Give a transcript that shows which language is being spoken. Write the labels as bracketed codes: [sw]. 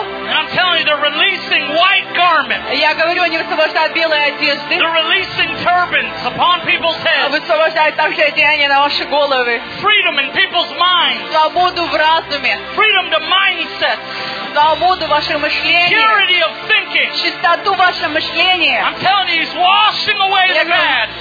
[en] And I'm telling you, they're releasing white garments. [ru] Я говорю, они высвобождают белые одежды. [en] They're releasing turbans upon people's heads. [ru] Высвобождают также одеяния на ваши головы. [en] Freedom in people's minds. [ru] Свободу в разуме. [en] Freedom to mindset. [ru] Свободу вашего мышления. [en] Purity of thinking. [ru] Чистоту вашего мышления. [en] I'm telling you, he's washing away the bad.